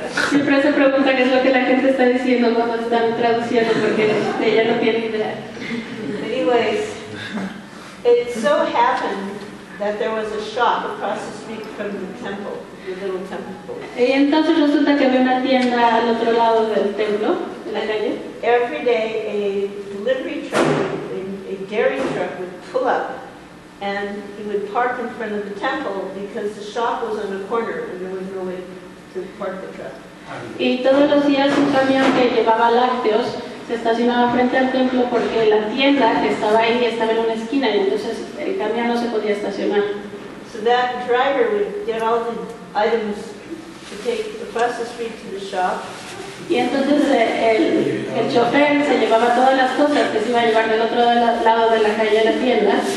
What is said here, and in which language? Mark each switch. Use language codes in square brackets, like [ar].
[es] Siempre se pregunta qué es lo que la gente está diciendo cuando están traduciendo porque ella no tiene idea. [en] Anyways, it so happened that there was a shop across the street from the temple, the little temple. [es] Y entonces resulta que había una tienda al otro lado del templo. [en] Every day a delivery truck, a dairy truck would pull up and he would park in front of the temple because the shop was on the corner and there was no way to park the truck. [es] Y todos los días un camión que llevaba lácteos se estacionaba frente al templo porque la tienda que estaba ahí estaba en una esquina y entonces el camión no se podía estacionar. [en] So that driver would get all the items to take across the street to the shop. [es] Y entonces el chofer se llevaba todas las cosas que se iba a llevar del otro lado de la calle a la tienda.